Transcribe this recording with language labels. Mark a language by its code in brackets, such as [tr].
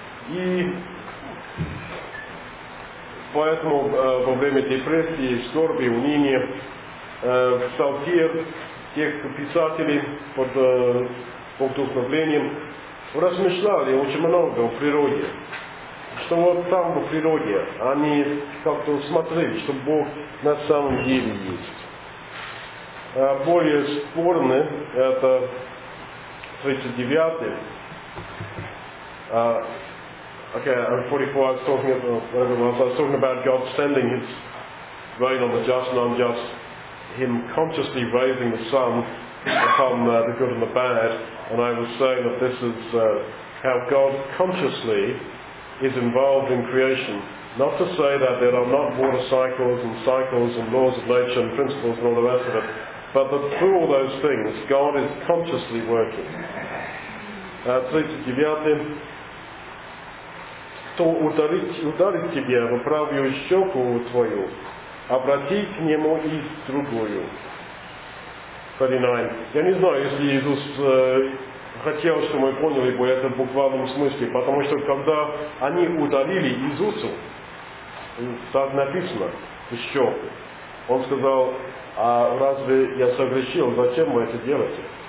[ru] И поэтому во время депрессии, скорби, уныния в толпе тех писателей под вдохновлением размышляли очень много о природе. Что вот там в природе они как-то смотрели, что Бог на самом деле есть. Более спорно это 39-й. [en] Okay, I'm 44, I was talking about, whatever it was, I was talking about God sending his rain on the just and unjust, him consciously raising the sun upon the good and the bad, and I was saying that this is how God consciously is involved in creation, not to say that there are not water cycles and laws of nature and principles and all the rest of it, but that through all those things, God is consciously working. 39. [ru] Кто ударит тебя в правую щеку твою, обрати к нему и в другую. 39. Я не знаю, если Иисус хотел, чтобы мы поняли бы это в буквальном смысле, потому что когда они ударили Иисусу, так написано, в щеку, он сказал, а разве я согрешил, зачем вы это делаете?